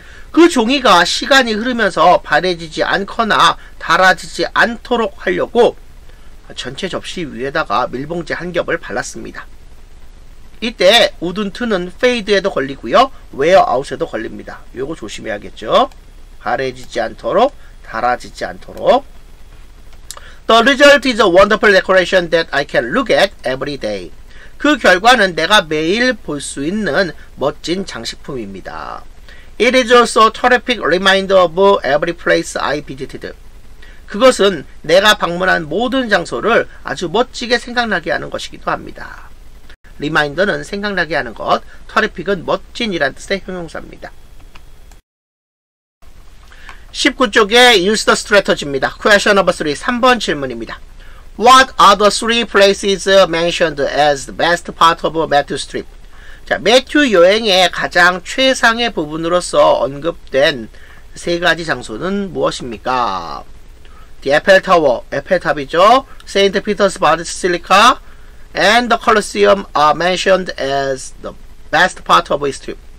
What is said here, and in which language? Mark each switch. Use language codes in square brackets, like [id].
[ko] 그 종이가 시간이 흐르면서 바래지지 않거나 닳아지지 않도록 하려고 전체 접시 위에다가 밀봉제 한 겹을 발랐습니다. 이때 우둔트는 페이드에도 걸리고요. 웨어아웃에도 걸립니다. 요거 조심해야겠죠. 바래지지 않도록, 닳아지지 않도록. [en] The result is a wonderful decoration that I can look at every day. [ko] 그 결과는 내가 매일 볼 수 있는 멋진 장식품입니다. [en] It is also a terrific reminder of every place I visited. [ko] 그것은 내가 방문한 모든 장소를 아주 멋지게 생각나게 하는 것이기도 합니다. Reminder는 생각나게 하는 것, terrific은 멋진이란 뜻의 형용사입니다. [en] 19쪽에 use the strategy입니다. Question number 3, [ko] 3번 질문입니다. [en] What are the three places mentioned as the best part of Matthew's trip? [ko] 자, 매튜 여행의 가장 최상의 부분으로서 언급된 세 가지 장소는 무엇입니까? [en] The Eiffel Tower, [ko] 에펠탑이죠. [en] St. Peter's Basilica and the Colosseum are mentioned as the best part of his trip.